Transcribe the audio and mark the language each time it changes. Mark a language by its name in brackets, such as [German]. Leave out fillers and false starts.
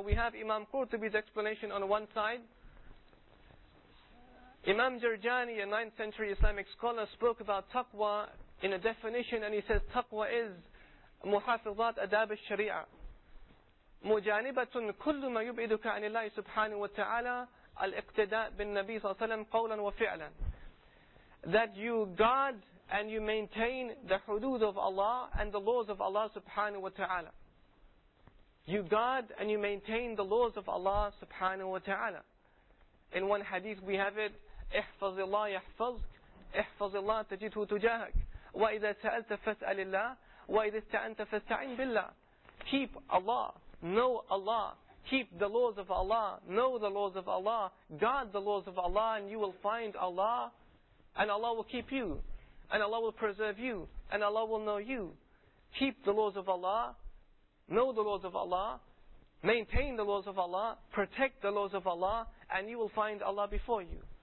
[English] We have Imam Qurtubi's explanation on one side. Imam Jarjani, a 9th century Islamic scholar, spoke about taqwa in a definition and he says taqwa is muhafizat adab al-sharia. [Arabic] مجانبة كل ما يبعدك عن الله سبحانه وتعالى الاقتداء بالنبي صلى الله عليه وسلم قولا وفعلا. [English] That you guard and you maintain the hudud of Allah and the laws of Allah subhanahu wa ta'ala. You guard and you maintain the laws of Allah subhanahu wa ta'ala. In one hadith we have it, [Arabic] احفظ الله يحفظك احفظ الله تجده تجاهك وإذا سألت فاسأل الله وإذا استعنت فاستعن بالله. [English] Keep Allah, know Allah, keep the laws of Allah, know the laws of Allah, guard the laws of Allah, and you will find Allah, and Allah will keep you, and Allah will preserve you, and Allah will know you. Keep the laws of Allah, know the laws of Allah, maintain the laws of Allah, protect the laws of Allah, and you will find Allah before you.